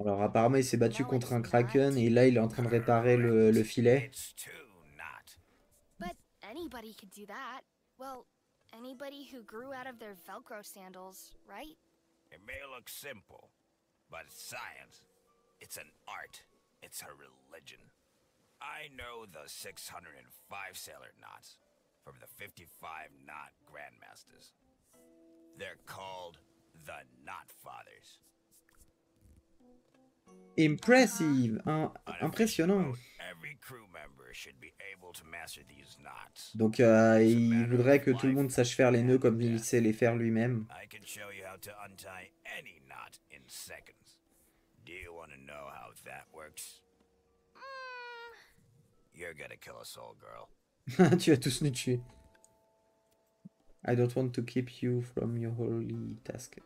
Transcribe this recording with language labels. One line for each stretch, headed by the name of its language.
French: Alors apparemment il s'est battu contre un kraken et là il est en train de réparer le filet.
English: It's too not. But anybody could do that. Well, anybody who grew out of their Velcro sandals, right? It may look simple, but science, it's an art, it's a religion. I know the 605 sailor knots from the 55 knot grandmasters. They're called the knot fathers. Impressive, impressionnant. Every crew member should be able to master these knots.
French: Donc il voudrait que tout le monde sache faire les nœuds comme il sait les faire lui-même.
English: I can show you how to untie any knot in seconds. Do you want to know how that works? You're gonna kill us all, girl.
French: Tu vas tous nous tuer.
English: I don't want to keep you from your holy task.